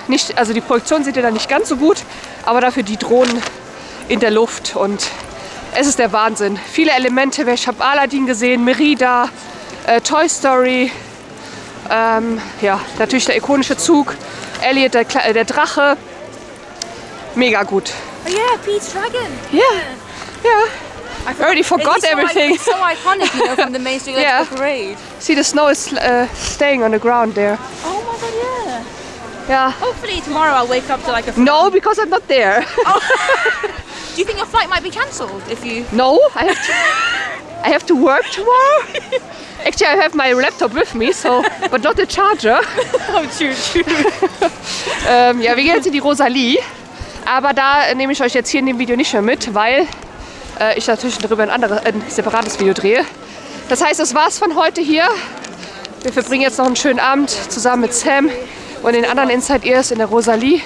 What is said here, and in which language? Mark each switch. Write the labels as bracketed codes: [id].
[de] Nicht, also die Projektion seht ihr dann nicht ganz so gut, aber dafür die Drohnen in der Luft. Und es ist der Wahnsinn. Viele Elemente, ich habe Aladdin gesehen, Merida, Toy Story, ja, natürlich der ikonische Zug, Elliot, der Drache. Mega gut. [en] Oh yeah, Pete's Dragon. Yeah, yeah. I already forgot it's everything. It's so iconic, you know, from the Main Street Electrical Parade. See, the snow is staying on the ground there. Oh my God, yeah. Yeah. Hopefully tomorrow I'll wake up to like a flight. No, because I'm not there. Oh. Do you think your flight might be cancelled if you... No, I have to work tomorrow. Actually, I have my laptop with me, so, but not the charger. Oh, true. [de] Ja, wir gehen jetzt in die Rosalie. Aber da nehme ich euch jetzt hier in dem Video nicht mehr mit, weil... ich natürlich darüber ein separates Video drehe. Das heißt, das war's von heute hier. Wir verbringen jetzt noch einen schönen Abend zusammen mit Sam und den anderen Inside Ears in der Rosalie.